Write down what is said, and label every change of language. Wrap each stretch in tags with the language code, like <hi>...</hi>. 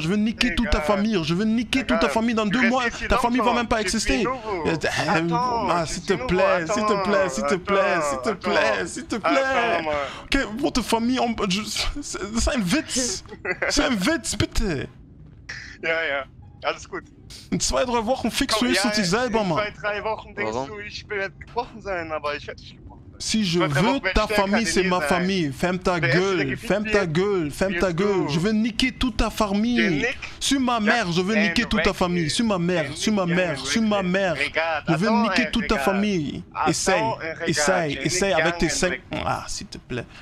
<fr>Je veux niquer toute ta famille. Je veux niquer toute ta famille dans deux mois. Ta famille va même pas exister. S'il te plaît. Ok, votre famille, c'est un witz. C'est un witz, bitte.</fr> <de>Ja. Alles gut. In zwei, drei Wochen fixst du dich selber, Mann. In zwei, drei Wochen denkst du, ich werde gebrochen sein, aber ich werde nicht gebrochen sein.</de> <fr>Si je veux ta famille, c'est ma famille. Ferme ta gueule, ferme ta gueule, ferme ta gueule. Je veux niquer toute ta famille. Sur ma mère, je veux niquer toute ta famille. Sur ma mère, sur ma mère, sur ma mère. Je veux niquer toute ta famille. Essaye, essaye, essaye avec tes 5. Ah, s'il te plaît.</fr>